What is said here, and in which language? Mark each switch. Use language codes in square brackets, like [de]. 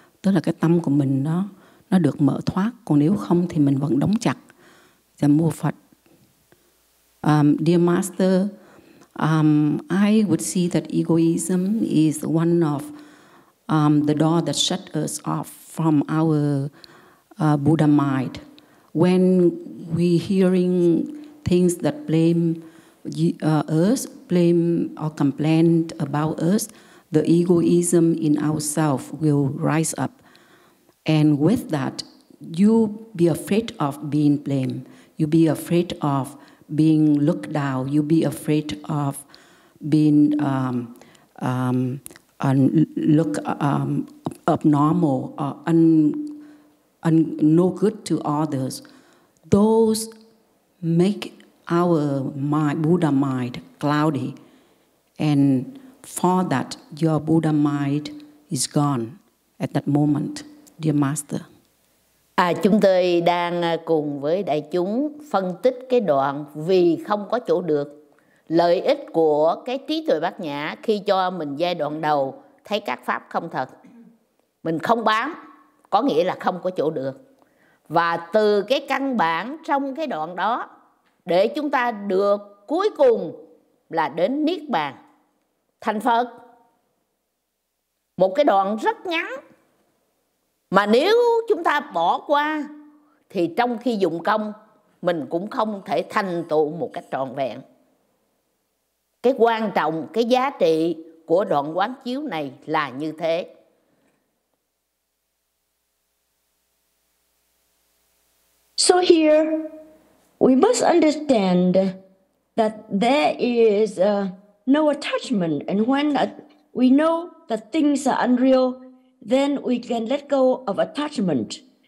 [vi] Tức là cái tâm của mình nó được mở thoát. Còn nếu không thì mình vẫn đóng chặt. Dạ mô Phật. [en] Dear Master, I would see that egoism is one of the door that shut us off from our Buddha mind. When we hearing things that blame us, blame or complain about us, the egoism in ourselves will rise up. And with that, you be afraid of being blamed. You be afraid of being looked down, you be afraid of being abnormal or no good to others. Those make our mind, Buddha mind, cloudy, and for that, your Buddha mind is gone at that moment, dear Master. [vi] À, chúng tôi đang cùng với đại chúng phân tích cái đoạn vì không có chỗ được. Lợi ích của cái trí tuệ bát nhã khi cho mình giai đoạn đầu thấy các pháp không thật. Mình không bám, có nghĩa là không có chỗ được. Và từ cái căn bản trong cái đoạn đó, để chúng ta được cuối cùng là đến Niết Bàn, thành Phật. Một cái đoạn rất ngắn. Mà nếu chúng ta bỏ qua thì trong khi dụng công mình cũng không thể thành tựu một cách trọn vẹn. Cái quan trọng, cái giá trị của đoạn quán chiếu này là như thế. [en] So here, we must understand that there is no attachment. And when we know that things are unreal, then we can let go of attachment.